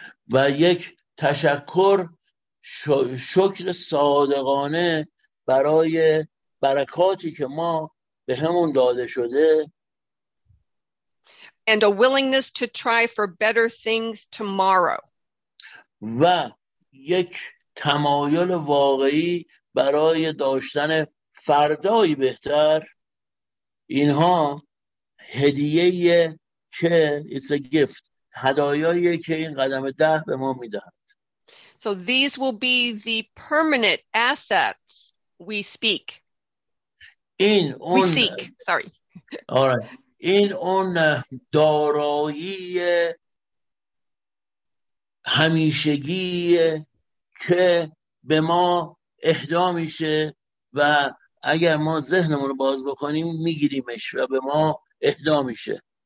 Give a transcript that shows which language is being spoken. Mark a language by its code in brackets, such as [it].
[fa] و یک تشکر شکر صادقانه برای برکاتی که ما به همون داده شده. [en] And a willingness to try for better things tomorrow. [fa] و یک تمایل واقعی برای داشتن فردایی بهتر. اینها هدیه که [en] it's a gift. [fa] هدایایی که این قدم ده به ما میدهد. [en] So these will be the permanent assets we speak. [fa] این اون [en] we seek. Sorry. All right. [fa] این اون دارایی همیشگی که به ما اهدا میشه و اگر ما ذهنمون رو باز بکنیم میگیریمش و به ما اهدا میشه.